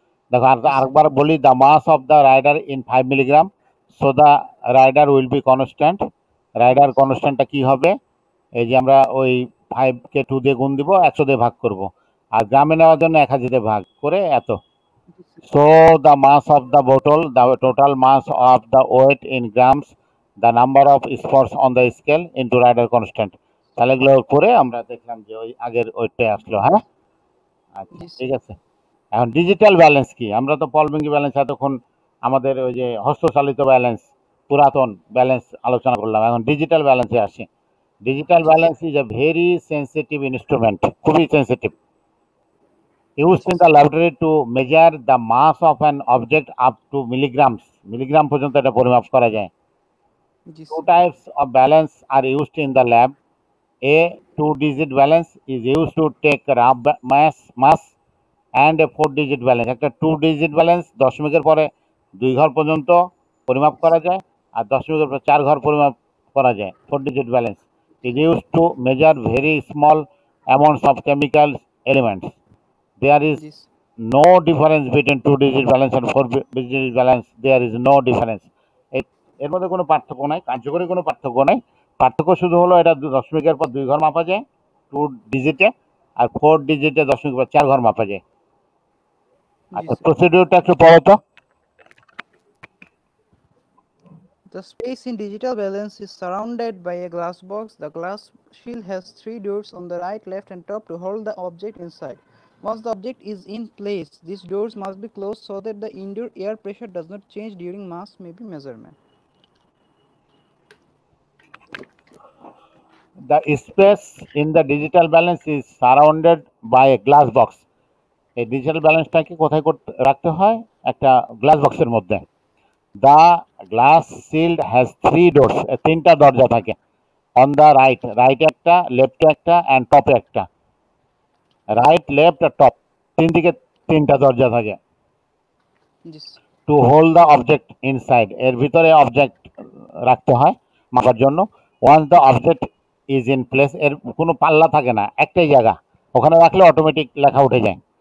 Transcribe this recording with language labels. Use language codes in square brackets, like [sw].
[en] দেখো আরেকবার বলি, the mass of the rider in 5 milligram, so the rider will be constant. [bn] Rider কনস্ট্যান্টটা কী হবে? এই যে আমরা ওই 5 কে 2 দিয়ে গুণ দিব, 100 দিয়ে ভাগ করব, আর গ্রামে নেওয়ার জন্য 1000 দিয়ে ভাগ করে এত। [en] So the mass of the bottle, the total mass of the weight in grams, the number of spots on the scale into rider constant. [bn] তাহলে এগুলো করে আমরা দেখলাম যে ওই আগের ওইটাই আসলো। হ্যাঁ, আচ্ছা ঠিক আছে। এখন ডিজিটাল ব্যালেন্স কি? আমরা তো পল ব্যাংকিং ব্যালেন্স, এতক্ষণ আমাদের ওই যে হস্তচালিত ব্যালেন্স, পুরাতন ব্যালেন্স আলোচনা করলাম, এখন ডিজিটাল ব্যালেন্সে আসি। [en] digital balance is a very sensitive instrument, [bn] খুবই sensitive. [en] use in the laboratory to measure the mass of an object up to milligrams, [bn] milligram পর্যন্ত এটা পরিমাপ করা যায়। [en] Two types of balance are used in the lab. A two digit balance is use to take rough mass and a 4 digit balance. [bn] একটা two digit balance দশমিকের পরে 2 ঘর পর্যন্ত পরিমাপ করা যায়, আর দশমিকের পরে 4 ঘর পরিমাপ করা যায়। [en] 4 digit balance is use to measure very small amounts of chemical elements. There is no difference between 2-digit balance and 4-digit balance. There is no difference. [bn] এর মধ্যে কোনো পার্থক্য নাই, কার্যকরী কোনো পার্থক্য নাই। পার্থক্য শুধু হলো এটা দশমিকের পর 2 ঘর মাপা যায় 2 ডিজিটে, আর 4 ডিজিটে দশমিকের পর 4 ঘর মাপা যায়। আচ্ছা, প্রসিডিউরটা একটু পড়ো তো। [en] The space in digital balance is surrounded by a glass box. The glass shield has 3 doors on the right, left and top to hold the object inside. Once the object is in place, these doors must be closed so that the indoor air pressure does not change during mass maybe measurement. The space in the digital balance is surrounded by a glass box. A digital balance [bn] টাকে কোথায় রাখতে হয়? একটা glass box এর মধ্যে। [en] The glass shield has 3 doors. [bn] তিনটা দরজা থাকে। [en] On the right, right একটা, left একটা and top একটা। [bn] রাইট, লেফট আর টপ, তিন দিকে তিনটা দরজা থাকে। [en] to hold the object inside, [bn] এর ভিতরে অবজেক্ট রাখতে হয় মাপার জন্য। [en] once the object is in place, [bn] এর কোনো পাল্লা থাকে না, একটাই জায়গা, ওখানে রাখলে অটোমেটিক লেখা উঠে যায়।